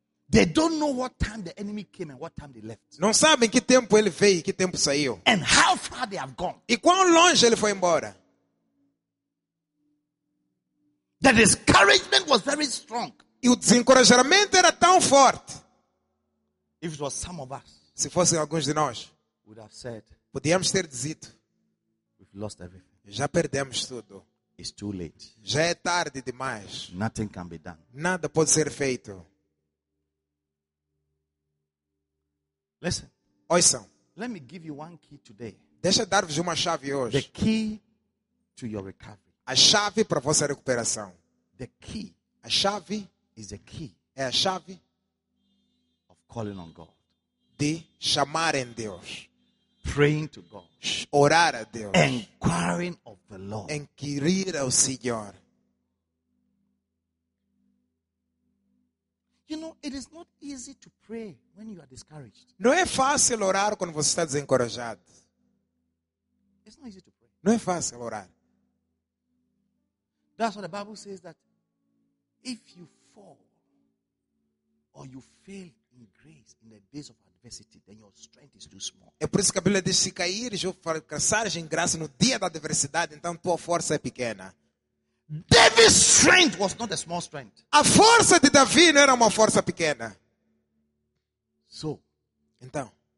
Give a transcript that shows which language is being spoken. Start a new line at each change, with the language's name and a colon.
English: They don't know what time the enemy came and what time they left.
Portuguese: Não sabem que tempo ele veio, que tempo saiu.
English: And how far they have gone.
Portuguese: E quão longe ele foi embora.
English: The discouragement was very strong.
Portuguese: E o desencorajamento era tão forte.
English: If it was some of us.
Portuguese: Se fossem alguns de nós.
English: Would have said.
Portuguese: Podíamos ter dito.
English: We've lost everything.
Portuguese: Já perdemos tudo.
English: It's too late.
Portuguese: Já é tarde demais.
English: Nothing can be done.
Portuguese: Nada pode ser feito.
English: Listen.
Portuguese: Ouçam.
English: Let me give you one key today.
Portuguese: Deixa eu dar-vos uma chave hoje.
English: The key to your recovery.
Portuguese: A chave para a vossa recuperação.
English: The key.
Portuguese: A chave
English: is the key.
Portuguese: É a chave
English: of calling on God.
Portuguese: De chamar em Deus.
English: Praying to God.
Portuguese: Orar a Deus.
English: Inquiring of the Lord.
Portuguese: Inquirir ao Senhor.
English: You know, it is not easy to pray when you are discouraged.
Portuguese: Não é fácil orar quando você está desencorajado.
English: It's not easy to pray.
Portuguese: Não é fácil orar.
English: That's what the Bible says, that if you fall or you fail in grace in the days of adversity, then your strength is too small.
Portuguese: É por isso que a Bíblia diz, se caíres ou fracassares em graça no dia da adversidade, então tua força é pequena.
English: David's strength was not a small strength.
Portuguese: A força de Davi não era uma força pequena.
English: So,
Portuguese: então,